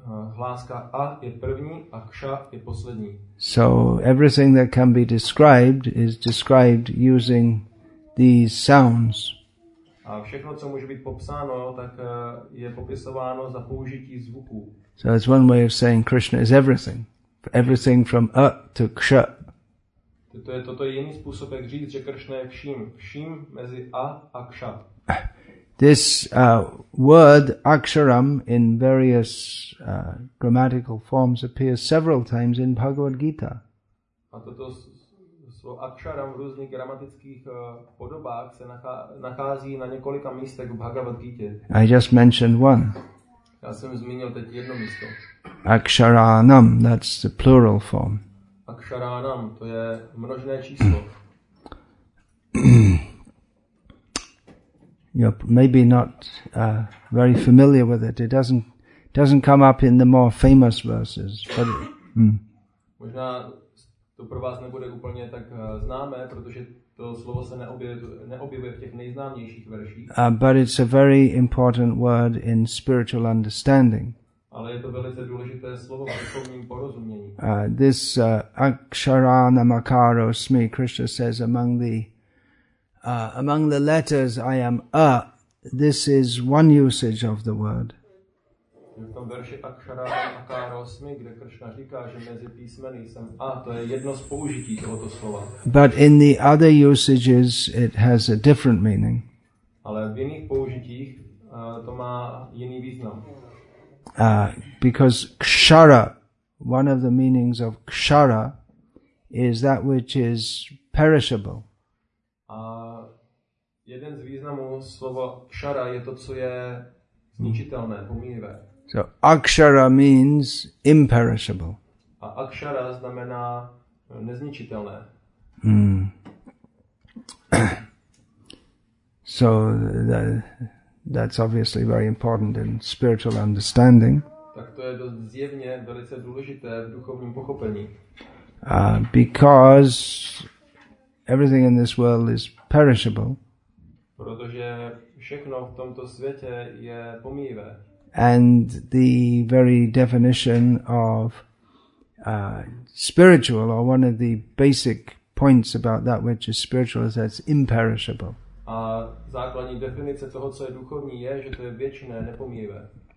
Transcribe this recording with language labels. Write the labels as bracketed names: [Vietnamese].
[Czech] Hláska A je první a ksha je poslední. [English] So everything that can be described is described using these sounds. [Czech] A všechno, co může být popsáno, tak je popisováno za použití zvuku. [English] So it's one way of saying Krishna is everything. Everything from A to ksha. [Czech] To je toto jiný způsob, jak říct, že Krishna je vším. Vším mezi A a ksha. [English] This word aksharam in various grammatical forms appears several times in Bhagavad Gita. [Czech] A toto slovo aksharam v různých gramatických podobách se nachází na několika místech v Bhagavad Gita. [English] I just mentioned one. [Czech] Já jsem zmínil teď jedno místo. [English] Aksharanam, that's the plural form. [Czech] Aksharanam, to je množné číslo. [English] You're maybe not very familiar with it. It doesn't come up in the more famous verses. But [Czech] Možná to pro vás nebude úplně tak známé, protože to slovo se neobjevuje v těch nejznámějších verších. [English] But it's a very important word in spiritual understanding. [Czech] Ale je to velice důležité slovo v duchovním porozumění. [English] This aksharanam akarosmi, Krishna says, among the letters I am A. This is one usage of the word. [Czech] V tom verši aksharanam akarosmi, kde Krishna říká, že mezi písmeny jsem A, to je jedno z použití tohoto slova. [English] But in the other usages it has a different meaning. [Czech] Ale v jiných použitích to má jiný význam. [English] Because kshara, one of the meanings of kshara is that which is perishable. [Czech] A jeden z významů slova kshara je to, co je zničitelné, pomývé. [English] So akshara means imperishable. [Czech] A akshara znamená nezničitelné. [English] So that's obviously very important in spiritual understanding. [Czech] Tak to je dost zjevně velice důležité v duchovním pochopení. [English] Because everything in this world is perishable. [Czech] Protože všechno v tomto světě je pomíjivé. [English] And the very definition of spiritual, or one of the basic points about that which is spiritual, is that it's imperishable. [Czech] A základní definice toho, co je duchovní, je, že to je věčné, nepomíjivé.